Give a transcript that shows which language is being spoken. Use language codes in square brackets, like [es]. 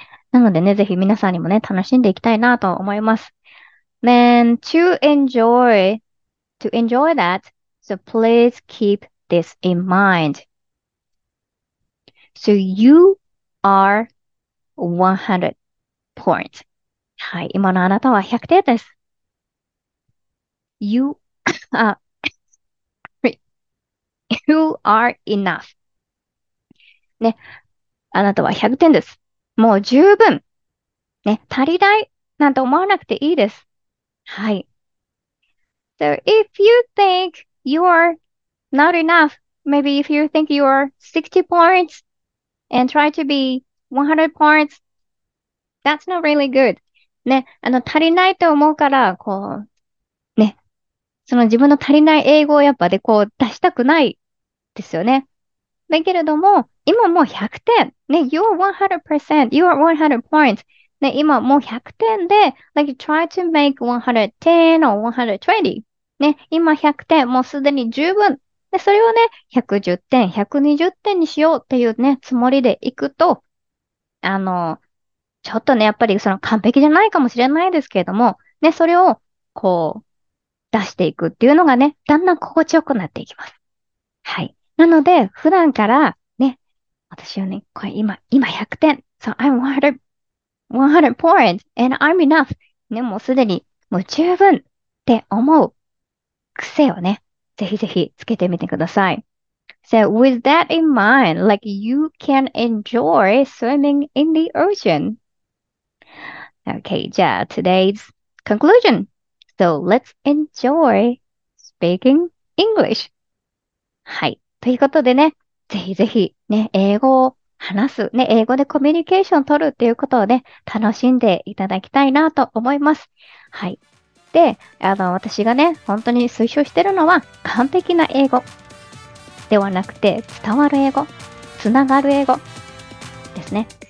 [ja] なのでね、ぜひ皆さんにもね、楽しんでいきたいなと思います。 [en] Then, to enjoy that, so please keep this in mind. So you are 100 points. [ja] はい。今のあなたは100点です。 [en] You are enough. [ja] ね。あなたは100点です。もう十分。ね。足りない。なんて思わなくていいです。はい。 [en] So if you think you are not enough, maybe if you think you are 60 points and try to be 100 points, that's not really good. [ja] ね、足りないと思うから、こう、その自分の足りない英語をやっぱでこう出したくないですよね。だけれども、今もう100点。ね、 [en] You're 100%, you are 100 points. [ja] ね、今もう100点で、 [en] like try to make 110 or 120. [ja] ね、今100点、もうすでに十分。で、それをね、110点、120点にしようっていうね、つもりでいくと、ちょっとね、やっぱりその完璧じゃないかもしれないですけれども、ね、それを、こう、出していくっていうのがね、だんだん心地よくなっていきます。はい。なので、普段から、ね、私はね、これ今100点。 [en] So I'm 100 points and I'm enough. [ja] ね、もうすでに、もう十分って思う癖をね、ぜひぜひつけてみてください。 [en] So with that in mind, like you can enjoy swimming in the ocean. Okay, [ja] じゃあ [en] today's conclusion. So let's enjoy speaking English. [ja] はい。ということでね、ぜひぜひね、英語を話す、ね、英語でコミュニケーションを取るっていうことをね、楽しんでいただきたいなと思います。はい。で、私がね、本当に推奨してるのは完璧な英語ではなくて、伝わる英語、つながる英語ですね。